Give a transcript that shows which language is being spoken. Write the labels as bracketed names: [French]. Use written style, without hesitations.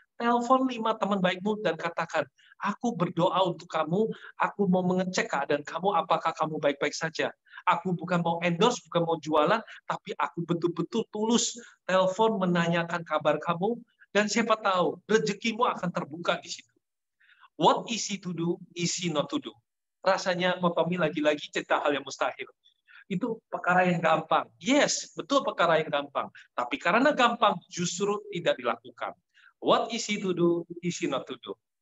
[Indonesian] Telepon 5 teman baikmu dan katakan, aku berdoa untuk kamu, aku mau mengecek keadaan kamu, apakah kamu baik-baik saja. Aku bukan mau endorse, bukan mau jualan, tapi aku betul-betul tulus telepon menanyakan kabar kamu. Dan siapa tahu, rezekimu akan terbuka di situ. [English] What easy to do, easy not to do. [Indonesian] Rasanya Motomi lagi-lagi cerita hal yang mustahil. Itu perkara yang gampang. Yes, betul perkara yang gampang. Tapi karena gampang, justru tidak dilakukan. [English] What easy to do, easy not to do.